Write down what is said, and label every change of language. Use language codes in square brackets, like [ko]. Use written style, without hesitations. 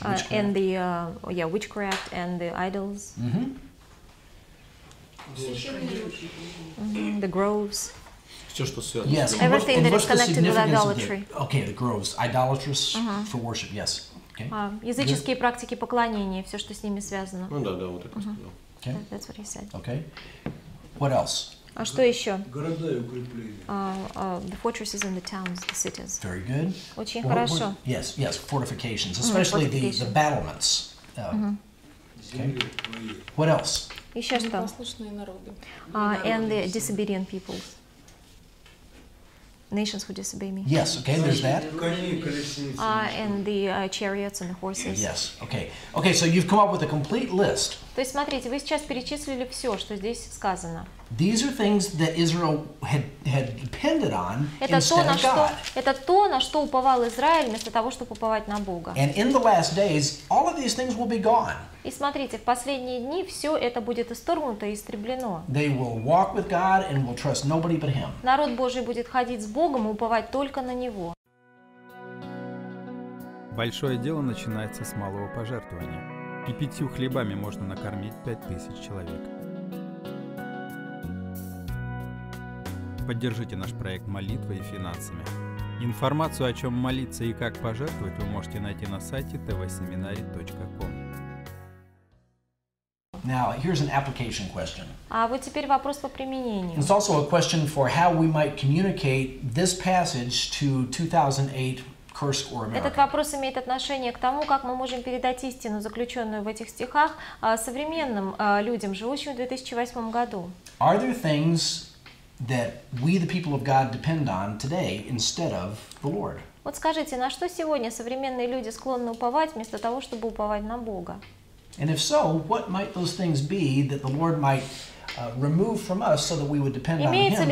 [en] and the witchcraft and the idols, the groves. Yes, everything and that is connected with idolatry. Okay, the groves, idolatrous for worship. Yes. Okay. [ru] Языческие практики поклонения, все, что с ними связано. Ну да, вот это. [en] Okay. That's what he said. Okay. What else? [ru] А что еще? Города и укрепления. [en] The fortresses and the towns, the cities. Very good. [ru] Очень хорошо. [en] Yes, fortifications, especially the battlements. Okay. What else? [ru] Еще что? Непослушные народы. [en] And the disobedient peoples. Nations who disobey me. Yes, okay, there's that. And the chariots and the horses. Yes, okay. Okay, so you've come up with a complete list. [ru] То есть, смотрите, вы сейчас перечислили все, что здесь сказано. [en] These are things that Israel had depended on instead of God. [ru] Это то, на что уповал Израиль, вместо того, чтобы уповать на Бога. [en] And in the last days, all of these things will be gone. [ru] И смотрите, в последние дни все это будет исторгнуто и истреблено. [en] They will walk with God and will trust nobody but Him. [ru] Народ Божий будет ходить с Богом и уповать только на Него. Большое дело начинается с малого пожертвования. И 5 хлебами можно накормить 5000 человек. Поддержите наш проект молитвой и финансами. Информацию, о чем молиться и как пожертвовать, вы можете найти на сайте tvseminary.com. [en] Now, here's an application question. [ru] А вот теперь вопрос по применению. [en] It's also a question for how we might communicate this passage to 2008 Kursk or America. [ru] Этот вопрос имеет отношение к тому, как мы можем передать истину, заключенную в этих стихах, современным людям, живущим в 2008 году. [en] Are there things that we, the people of God, depend on today instead of the Lord? [ru] Вот скажите, на что сегодня современные люди склонны уповать, вместо того, чтобы уповать на Бога? [en] And if so, what might those things be that the Lord might remove from us so that we would depend on Him completely?